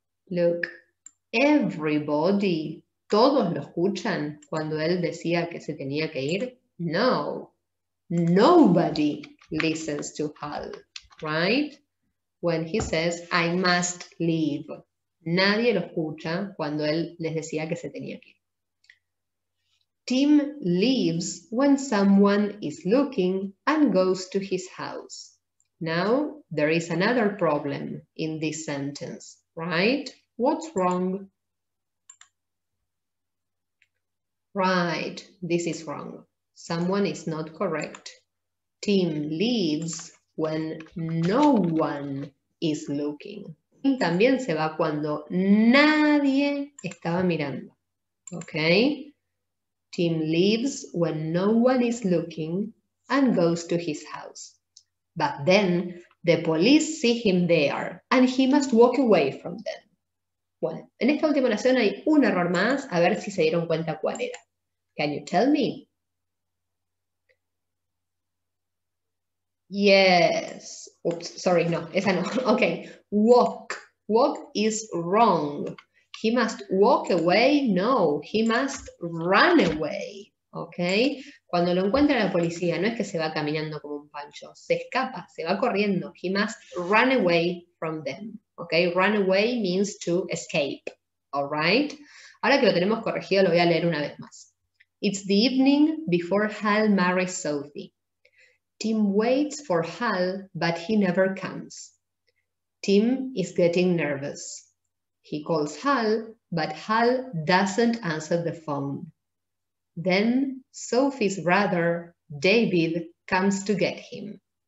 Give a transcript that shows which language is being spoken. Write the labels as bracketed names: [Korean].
[English] Look, everybody, [Spanish] todos lo escuchan cuando él decía que se tenía que ir. [English] No, nobody listens to Hal, right? When he says, I must leave. [Spanish] Nadie lo escucha cuando él les decía que se tenía que ir. [English] Tim leaves when someone is looking and goes to his house. Now, there is another problem in this sentence, right? What's wrong? Right, this is wrong. Someone is not correct. Tim leaves when no one is looking. [Spanish] Y también se va cuando nadie estaba mirando. [English] Okay? Tim leaves when no one is looking and goes to his house. But then the police see him there and he must walk away from them. [Spanish] Bueno, en esta última oración hay un error más, a ver si se dieron cuenta cuál era. [English] Can you tell me? Yes. Oops, sorry, no, [Spanish] esa no. [English] Okay, walk. Walk is wrong. He must walk away. No, he must run away. Okay? [Spanish] Cuando lo encuentra la policía, no es que se va caminando como un pancho. Se escapa, se va corriendo. [English] He must run away from them. Okay? Run away means to escape. All right? [Spanish] Ahora que lo tenemos corregido, lo voy a leer una vez más. [English] It's the evening before Hal marries Sophie. Tim waits for Hal, but he never comes. Tim is getting nervous. He calls Hal, but Hal doesn't answer the phone. Then Sophie's brother, David, comes to get him.